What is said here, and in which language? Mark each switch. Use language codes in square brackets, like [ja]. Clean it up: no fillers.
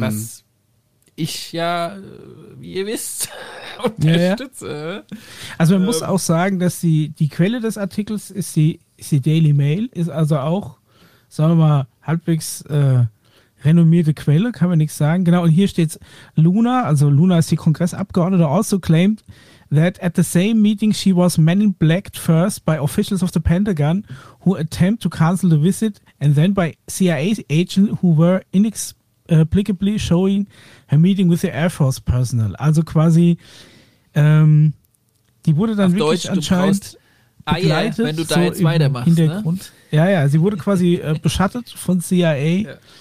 [de] Was ich ja, wie ihr wisst, unterstütze. Also man muss auch sagen, dass die Quelle des Artikels ist die Daily Mail, ist also auch, sagen wir mal, halbwegs renommierte Quelle, kann man nichts sagen. Genau, und hier steht Luna, also Luna ist die Kongressabgeordnete, also [en] claimed that at the same meeting she was man in black first by officials of the Pentagon who attempt to cancel the visit and then by CIA agents who were inexplicably showing her meeting with the Air Force personnel. [de] Also quasi, die wurde dann auf wirklich Deutsch, anscheinend begleitet, ah, ja, wenn du da so jetzt weitermachst. Hintergrund. Ne? Ja, ja, sie wurde quasi beschattet von CIA.